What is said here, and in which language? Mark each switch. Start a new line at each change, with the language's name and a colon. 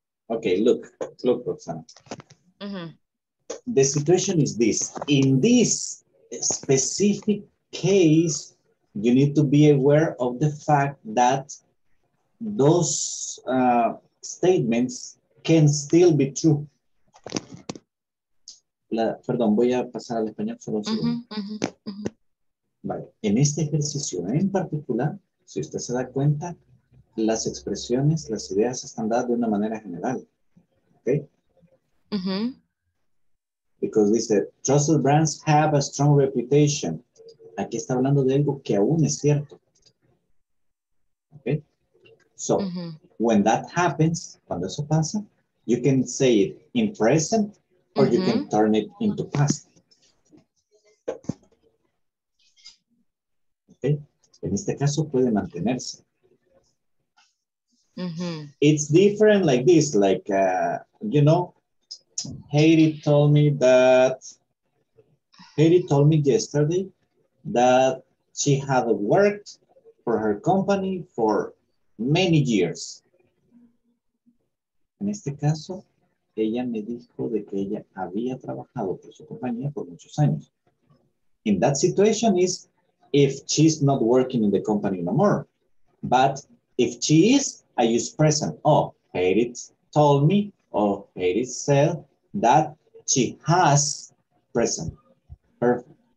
English: Okay, look, Roxana. The situation is this. In this specific case, you need to be aware of the fact that those statements can still be true.
Spanish: Perdón, voy a pasar al español solo un segundo. Vale, en este ejercicio en particular, si usted se da cuenta, las expresiones, las ideas están dadas de una manera general.
English: Okay? Because dice, trusted brands have a strong reputation.
Spanish: Aquí está hablando de algo que aún es cierto.
English: Okay? So, when that happens,
Spanish: cuando eso pasa,
English: you can say it in present or you can turn it into past.
Spanish: Okay? En este caso puede mantenerse.
English: It's different like this, like, you know, Haiti told me yesterday that she had worked for her company for many years.
Spanish: En este caso, ella me dijo de que ella había trabajado por su compañía por muchos años.
English: In that situation is if she's not working in the company no more, but if she is, I use present. Oh, Harriet told me, or Harriet said that she has present. Perfect.